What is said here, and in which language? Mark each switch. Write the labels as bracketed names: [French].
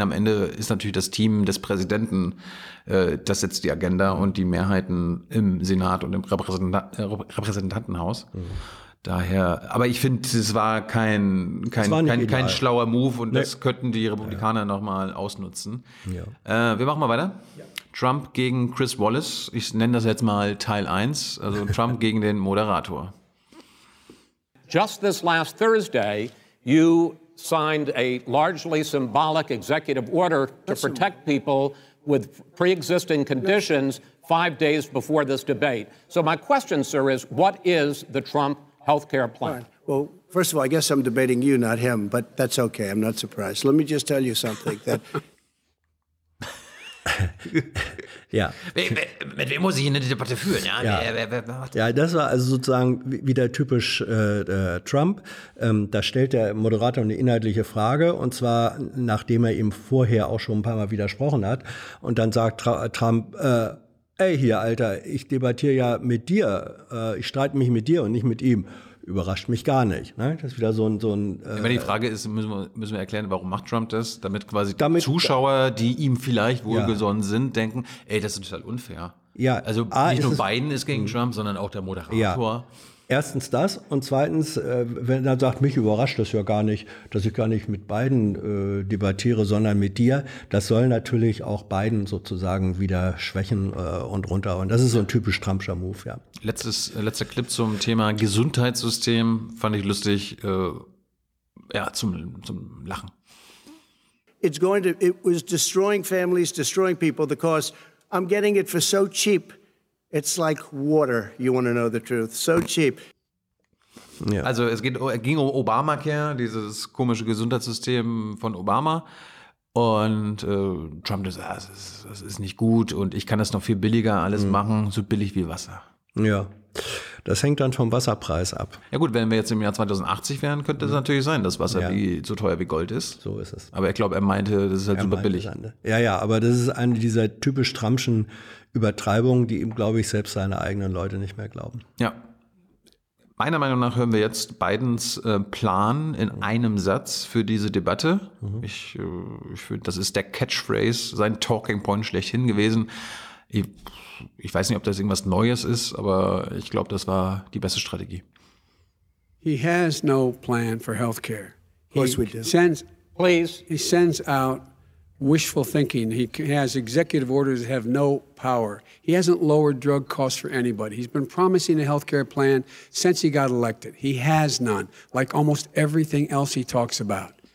[German] Am Ende ist natürlich das Team des Präsidenten, das setzt die Agenda und die Mehrheiten im Senat und im Repräsentantenhaus. Daher, aber ich finde, es war kein schlauer Move und das könnten die Republikaner nochmal ausnutzen. Ja. Wir machen mal weiter. Ja. Trump gegen Chris Wallace. Ich nenne das jetzt mal Teil 1. Also Trump gegen den Moderator. [English] Just this last Thursday, you signed a largely symbolic executive order to protect people with pre-existing conditions 5 days before this debate. So my question, sir, is what is the Trump healthcare plan? Well, first of all, I guess I'm debating you, not him, but that's okay. I'm not surprised. Let me just tell you something that... [German] Ja. Mit wem muss ich eine Debatte führen? Ja, ja. Ja, das war also sozusagen wieder typisch Trump. Da stellt der Moderator eine inhaltliche Frage und zwar nachdem er ihm vorher auch schon ein paar Mal widersprochen hat und dann sagt Trump, ey hier Alter, ich debattiere ja mit dir, ich streite mich mit dir und nicht mit ihm. Überrascht mich gar nicht. Ne? Das ist wieder so ein ich meine, die Frage ist, müssen wir erklären, warum macht Trump das? Damit Zuschauer, die ihm vielleicht wohlgesonnen sind, denken, ey, das ist total unfair. Ja, also nicht nur Biden ist gegen Trump, sondern auch der Moderator. Ja. Erstens das und zweitens, wenn er sagt, mich überrascht das ja gar nicht, dass ich gar nicht mit Biden debattiere, sondern mit dir. Das soll natürlich auch Biden sozusagen wieder schwächen und runter. Und das ist so ein typisch Trumpscher Move, ja. Letzter Clip zum Thema Gesundheitssystem fand ich lustig, zum Lachen. [English] It was destroying families, destroying people, because I'm getting it for so cheap. It's like water, you want to know the truth. So cheap. [German] Ja. Also es ging um Obamacare, dieses komische Gesundheitssystem von Obama. Und Trump sagt, das ist nicht gut und ich kann das noch viel billiger alles machen, so billig wie Wasser. Ja, das hängt dann vom Wasserpreis ab. Ja gut, wenn wir jetzt im Jahr 2080 wären, könnte es natürlich sein, dass Wasser so teuer wie Gold ist. So ist es. Aber ich glaube, er meinte, das ist halt super billig. Ja, aber das ist eine dieser typisch Trumpschen Übertreibungen, die ihm, glaube ich, selbst seine eigenen Leute nicht mehr glauben. Ja. Meiner Meinung nach hören wir jetzt Bidens Plan in einem Satz für diese Debatte. Mhm. Ich finde, das ist der Catchphrase, sein Talking Point schlechthin gewesen. Ich weiß nicht, ob das irgendwas Neues ist, aber ich glaube, das war die beste Strategie. [English] He has no plan for healthcare. Of course we do. He sends out wishful thinking. He has executive orders that have no power. He hasn't lowered drug costs for anybody. He's been promising a healthcare plan since he got elected. He has none, like almost everything else he talks about.